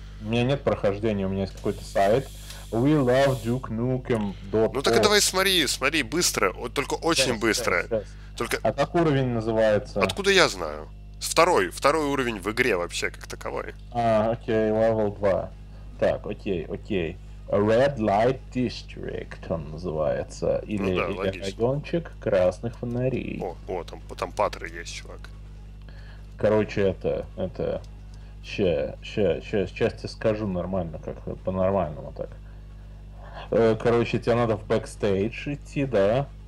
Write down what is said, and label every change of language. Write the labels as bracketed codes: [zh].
[ru] У меня нет прохождения, у меня есть какой-то сайт. [en] We love Duke Nukem. [ru] Ну так и давай смотри, смотри, быстро, только очень сейчас, быстро. Сейчас. Только... А как уровень называется? Откуда я знаю? Второй уровень в игре вообще, как таковой. А, окей, [en] level 2. [ru] Так, окей. Red Light District он называется. Или, ну да, или райончик красных фонарей. О, там патры есть, чувак. Короче, это... Сейчас тебе скажу нормально, как по-нормальному так. Короче, тебе надо в бэкстейдж идти, да?